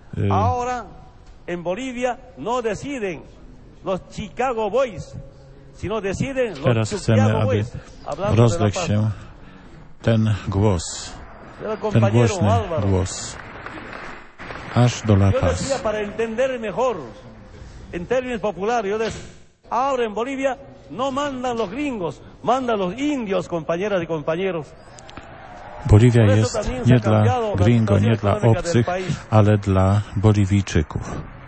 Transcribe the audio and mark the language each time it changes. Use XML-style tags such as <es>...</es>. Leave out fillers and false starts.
<es>Ahora en Bolivia no deciden los Chicago Boys, sino deciden los</es> <pl>Teraz chcemy, aby rozległ się ten głos, ten głośny głos, aż do La Paz.</pl> <es>Yo decía para entender mejor, en términos populares, yo decía, ahora en Bolivia no mandan los gringos, mandan los indios, compañeras y compañeros.</es> <pl>Boliwia jest nie dla gringo, nie dla obcych, ale dla Boliwijczyków.</pl>